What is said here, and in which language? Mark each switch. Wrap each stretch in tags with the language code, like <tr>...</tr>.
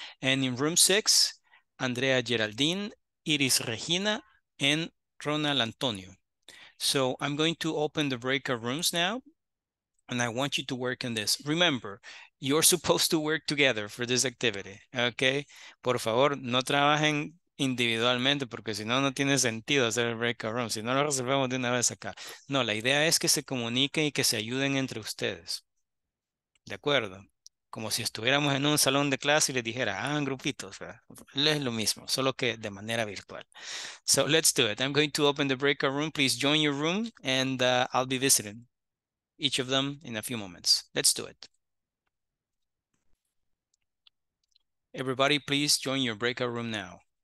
<en>And in room six, Andrea Geraldine, Iris Regina, and Ronald Antonio. So I'm going to open the breakout rooms now, and I want you to work on this. Remember, you're supposed to work together for this activity, okay?</en> <es>Por favor, no trabajen individualmente, porque si no, no tiene sentido hacer el breakout room. Si no, lo resolvemos de una vez acá. No, la idea es que se comuniquen y que se ayuden entre ustedes. De acuerdo. Como si estuviéramos en un salón de clase y les dijera, hagan grupitos. Es lo mismo, solo que de manera virtual.</es> <en>So let's do it. I'm going to open the breakout room. Please join your room and I'll be visiting each of them in a few moments. Let's do it. Everybody, please join your breakout room now.</en>